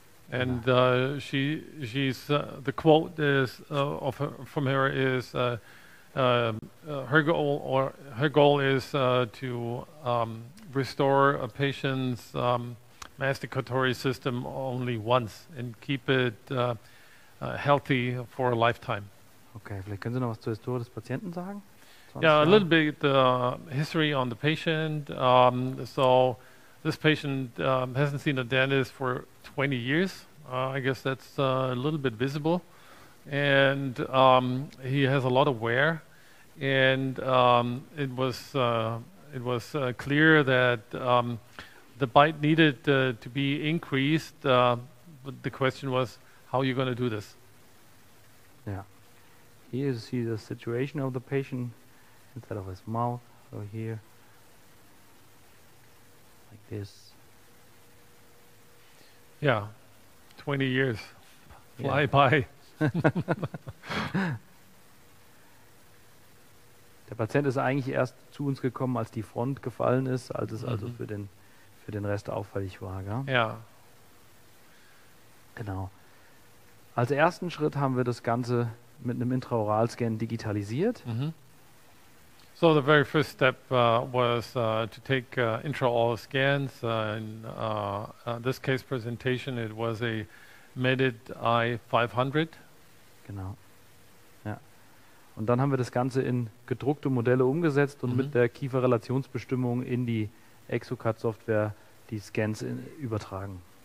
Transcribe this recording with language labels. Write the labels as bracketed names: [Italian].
[English] And she's the quote is of her, from her is her goal is to restore a patient's masticatory system only once and keep it healthy for a lifetime. [German] Okay, vielleicht können Sie noch was zur Historie des Patienten sagen? [English] Yeah, a little bit history on the patient. So this patient hasn't seen a dentist for 20 years. I guess that's a little bit visible. And he has a lot of wear. And it was clear that the bite needed to be increased. But the question was, how are you going to do this? Yeah. Here you see the situation of the patient instead of his mouth over here, like this. Yeah, 20 years, fly by. [German] Der Patient ist eigentlich erst zu uns gekommen, als die Front gefallen ist, als es also für den Rest auffällig war, gell? Ja. Yeah. Genau. Als ersten Schritt haben wir das Ganze mit einem Intraoral-Scan digitalisiert. Mm-hmm. [English] So the very first step was to take intraoral scans. In this case presentation, it was a Medit i500. [German] Genau. Ja. Und dann haben wir das Ganze in gedruckte Modelle umgesetzt und mit der Kieferrelationsbestimmung in die ExoCAD-Software die Scans übertragen.